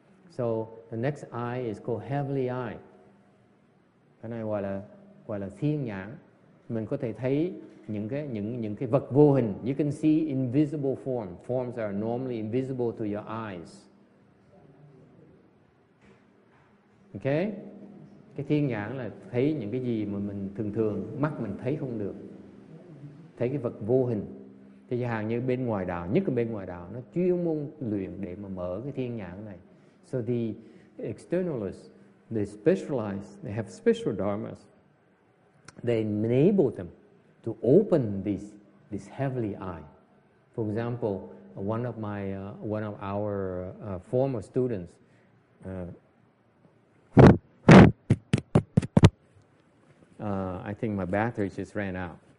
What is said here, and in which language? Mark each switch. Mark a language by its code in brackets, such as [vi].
[en] So the next eye is called heavenly eye. [vi] Cái này gọi là thiên nhãn. Mình có thể thấy những cái vật vô hình. [en] You can see invisible forms. Forms are normally invisible to your eyes. [vi] Okay? Cái thiên nhãn là thấy những cái gì mà mình thường thường mắt mình thấy không được. Thấy cái vật vô hình. Thì hàng như bên ngoài đạo, nhất là bên ngoài đạo, nó chuyên môn luyện để mà mở cái thiên nhãn này. [en] So the externalists, they specialize, they have special dharmas. They enable them to open this heavenly eye. For example, one of our former students, I think my battery just ran out.